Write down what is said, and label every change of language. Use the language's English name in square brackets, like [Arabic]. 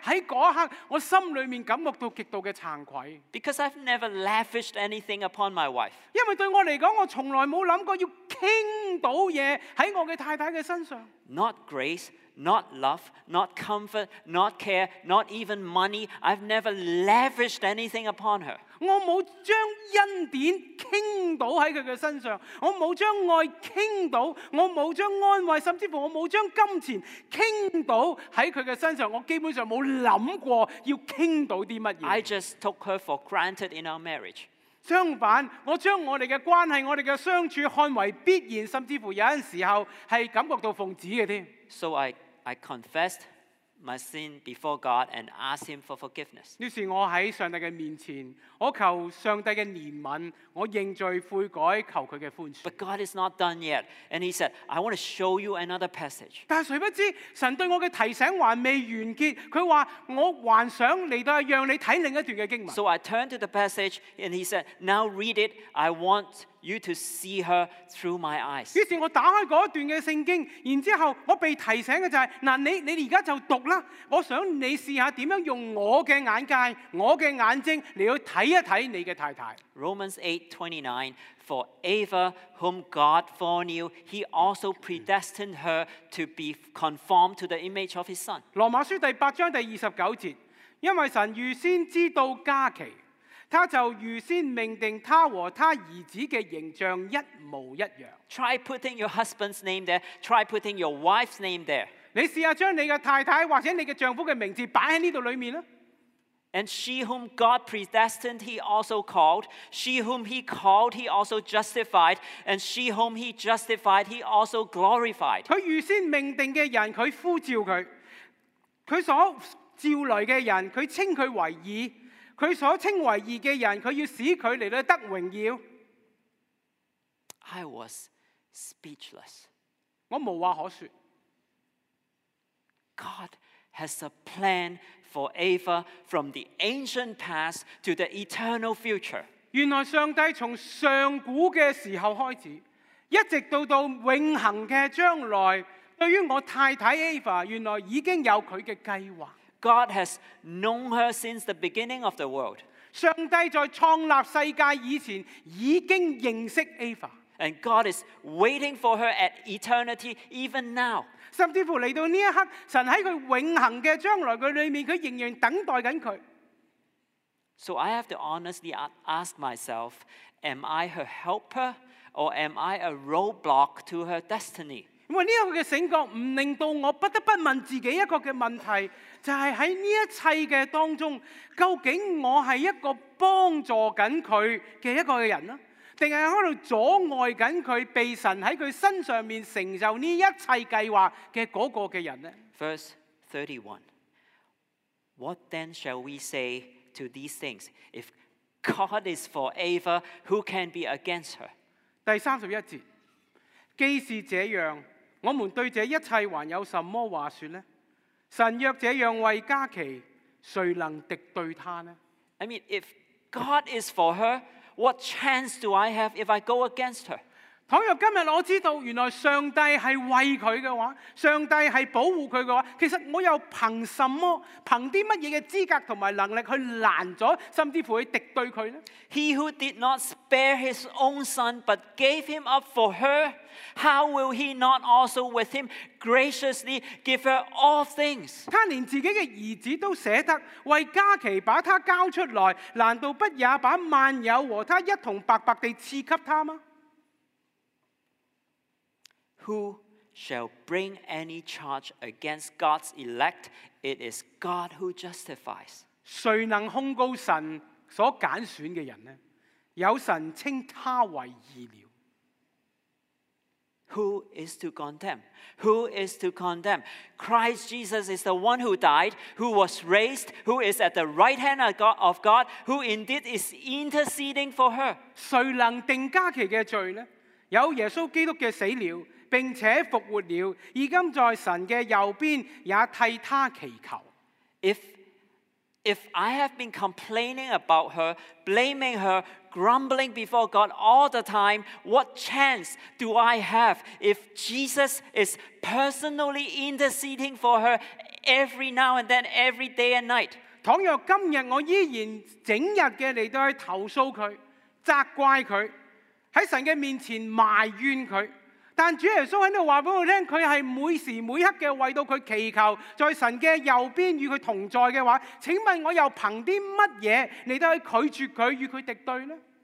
[Cantonese] 喺嗰刻，我心里面感觉到极度嘅惭愧。 [English] Because I've never lavished anything upon my wife。 [Cantonese] 因为对我嚟讲，我从来冇谂过要倾倒嘢喺我嘅太太嘅身上。 [English] Not grace, not love, not comfort, not care, not even money. I've never lavished anything upon her。 [Cantonese] 我冇将恩典倾倒喺佢嘅身上，我冇将爱倾倒，我冇将安慰，甚至乎我冇将金钱倾倒喺佢嘅身上。我基本上冇谂过要倾倒啲乜嘢。 [English] I just took her for granted in our marriage。 [Cantonese] 相反，我将我哋嘅关系、我哋嘅相处看为必然，甚至乎有阵时候系感觉到奉旨嘅添。 [English] So I confessed my sin before God and asked Him for forgiveness。 [Cantonese] 于是我喺上帝嘅面前，我求上帝嘅怜悯，我认罪悔改，求佢嘅宽恕。 [English] But God is not done yet, and He said, "I want to show you another passage." [Cantonese] 但系谁不知神对我嘅提醒还未完结，佢话我还想嚟到让你睇另一段嘅经文。 [English] So I turned to the passage, and He said, "Now read it. I want you to see her through my eyes." [Cantonese] 于是我打开嗰段嘅圣经，然之后我被提醒嘅就系、是，你而家就读啦，我想你试下点样用我嘅眼界、我嘅眼睛嚟去睇。 [English] Romans 8:29, for Ava, whom God foreknew, he also predestined her to be conformed to the image of his son. [Cantonese] 罗马书第八章第二十九节，因为神预先知道家期，他就预先命定他和他儿子的形象一模一样。 [English] Try putting your husband's name there. Try putting your wife's name there. [Cantonese] 你试下将你的太太或者你的丈夫的名字摆在这里面。 [English] And she whom God predestined, he also called. She whom he called, he also justified. And she whom he justified, he also glorified. [Cantonese] 他预先命定的人，他呼召他。他所召来的人，他称他为义。他所称为义的人，他要使他来得荣耀。 [English] I was speechless. [Cantonese] 我无话可说。 [English] God has a plan for Ava from the ancient past to the eternal future. [Cantonese] 原来上帝从上古的时候开始，一直到永恒的将来，对于我太太 Ava， 原来已经有他的计划。 [English] God has known her since the beginning of the world. [Cantonese] 上帝在创立世界以前已经认识 Ava。 [English] And God is waiting for her at eternity even now. [Cantonese] 甚至乎嚟到呢一刻，神喺佢永恒嘅将来嘅里面，佢仍然等待紧佢。 [English] So I have to honestly ask myself, am I her helper or am I a roadblock to her destiny? [Cantonese] 因为呢一个嘅醒觉，唔令到我不得不问自己一个嘅问题，就系喺呢一切嘅当中，究竟我系一个帮助紧佢嘅一个嘅人啦？定系喺度阻碍紧佢，被神喺佢身上面成就呢一切计划嘅嗰个嘅人呢 [English] ？Verse 31. What then shall we say to these things? If God is for Ava, who can be against her? [Cantonese] 第三十一节，既是这样，我们对这一切还有什么话说呢？神若这样为家期，谁能敌对他呢 [English] ？I mean, if God is for her, what chance do I have if I go against her? [Cantonese] 倘若今天我知道原来上帝是为他的话，上帝是保护他的话，其实我又凭什么，凭什么的资格和能力去拦阻，甚至乎去敌对他呢？ [English] He who did not spare his own son, but gave him up for her, how will he not also with him graciously give her all things? [Cantonese] 他连自己的儿子都舍得为家琪把他交出来，难道不也把万有和他一同白白地赐给他吗？ [English] Who shall bring any charge against God's elect? It is God who justifies. [Cantonese] 谁能控告神所拣选的人呢？有神称他为义了。 [English] Who is to condemn? Who is to condemn? Christ Jesus is the one who died, who was raised, who is at the right hand of God, who indeed is interceding for her. [Cantonese] 谁能定家琪的罪呢？有耶稣基督的死了，并且复活了，而今在神的右边，也替他祈求。 [English] If I have been complaining about her, blaming her, grumbling before God all the time, what chance do I have if Jesus is personally interceding for her every now and then, every day and night? [Cantonese] 倘若今日我依然整日的来到去投诉她，责怪她，在神的面前埋怨她，但主耶稣在这里告诉我们，他是每时每刻的为到他祈求，在神的右边与他同在的话，请问我又凭什么来到去拒绝他，与他敌对呢？